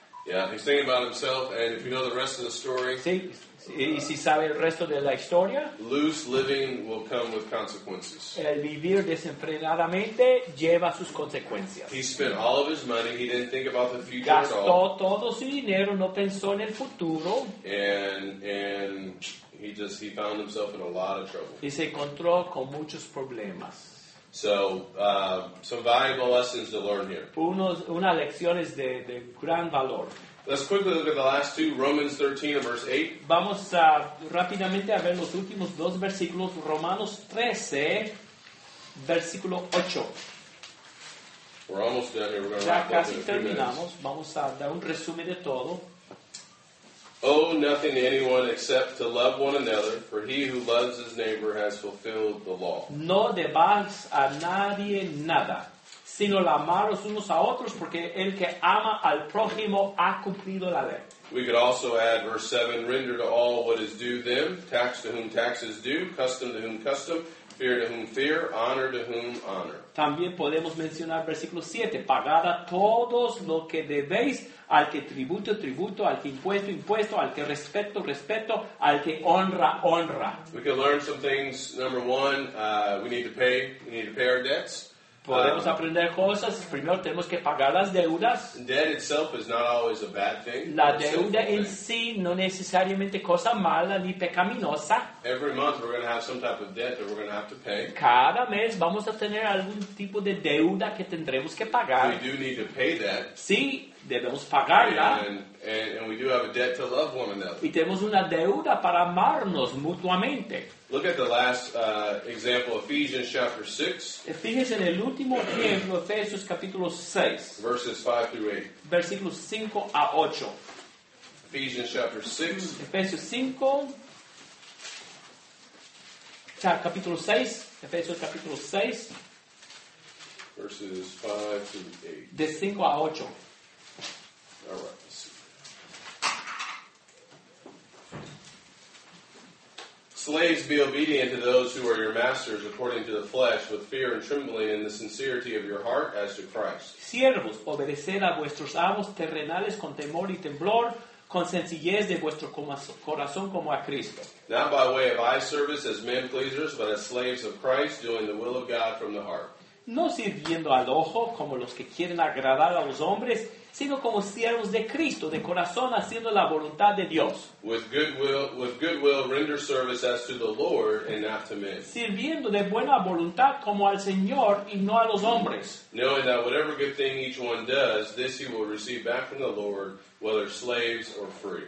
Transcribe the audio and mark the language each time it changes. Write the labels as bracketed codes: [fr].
[en] Yeah, he's thinking about himself, and if you know the rest of the story, [es] ¿Sí? Y si sabe el resto de la historia, [en] loose living will come with consequences. [es] El vivir desenfrenadamente lleva sus consecuencias. [en] He spent all of his money. He didn't think about the future. [es] Gastó [en] at all. [es] Todo su dinero, no pensó en el futuro. [en] And he found himself in a lot of trouble. [es] Y se encontró con muchos problemas. [en] So, some valuable lessons to learn here. [es] Unas lecciones de gran valor. [en] Let's quickly look at the last two, Romans 13 and verse 8. [es] Vamos rápidamente a ver los últimos dos versículos, Romanos 13, versículo 8. [en] We're almost done here. We're going to wrap up in a few minutes. [es] Vamos a dar un resumen de todo. [en] Owe nothing to anyone except to love one another, for he who loves his neighbor has fulfilled the law. [es] No debas a nadie nada, sino amaros unos a otros, porque el que ama al prójimo ha cumplido la ley. [en] We could also add verse 7, render to all what is due them, tax to whom tax is due, custom to whom custom, fear to whom fear, honor to whom honor. [es] También podemos mencionar versículo 7, pagad a todos lo que debéis, al que tributo, tributo, al que impuesto, impuesto, al que respeto, respeto, al que honra, honra. [en] We can learn some things. Number one, we need to pay our debts. [es] Podemos aprender cosas. Primero tenemos que pagar las deudas. [en] Debt itself is not always a bad thing. [es] La deuda en sí no necesariamente cosa mala ni pecaminosa. [en] Every month we're going to have some type of debt that we're going to have to pay. [es] Cada mes vamos a tener algún tipo de deuda que tendremos que pagar. [en] We do need to pay that. [es] Sí, debemos pagarla. [en] And we do have a debt to love one another. [es] Y tenemos una deuda para amarnos mutuamente. [en] Look at the last example, Ephesians chapter 6. [es] Fíjense en el último ejemplo, Efesios capítulo 6. [en] Verses 5 through 8. [es] Versículos 5 a 8. [en] Ephesians chapter 6. [es] Efesios 5. Capítulo 6. Efesios capítulo 6. [en] Verses 5 through 8. [es] De 5 a 8. [en] All right. Let's see. Slaves, be obedient to those who are your masters according to the flesh, with fear and trembling in the sincerity of your heart as to Christ. [es] Siervos, obedeced a vuestros amos terrenales con temor y temblor, con sencillez de vuestro corazón como a Cristo. [en] Not by way of eye service as men pleasers, but as slaves of Christ, doing the will of God from the heart. [es] No sirviendo al ojo como los que quieren agradar a los hombres, sino como siervos de Cristo, de corazón haciendo la voluntad de Dios. [en] With good will render service as to the Lord and not to men. [es] Sirviendo de buena voluntad como al Señor y no a los hombres. [en] Knowing that whatever good thing each one does, this he will receive back from the Lord, whether slaves or free.